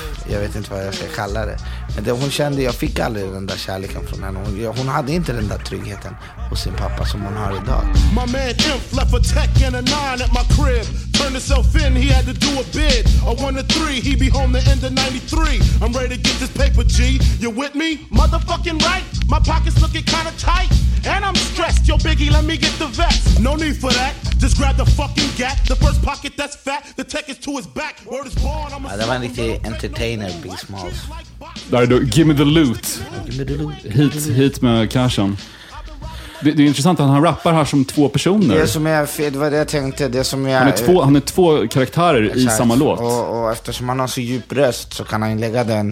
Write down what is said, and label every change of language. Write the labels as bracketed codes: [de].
[sv] Jag vet inte vad jag ska kalla det. Men det hon kände, jag fick aldrig den där kärleken från henne. Hon hade inte den där tryggheten hos sin pappa som hon har idag. [en] My man Imp left a tech and a 9 at my crib. Turned himself in, he had to do a bid. A 1 to 3, he be home the end of 93. I'm ready to get this paper, G. You with me? Motherfucking right. My pockets looking kinda tight. And I'm stressed, yo Biggie, let me get the vest. No need for that, just grab the fucking gat. The first pocket that's fat, the tech is to his back. Word is born, I'm a... [sv] Det var en riktig entertainer, Big Smalls. Där är du, [en] give me the loot. Give me the loot. [sv] Hit med cashen. Det är intressant att han rappar här som två personer. Det som är, det var det jag tänkte, det som jag... Han är två karaktärer, exakt, i samma låt. Och eftersom han har så djup röst så kan han lägga den.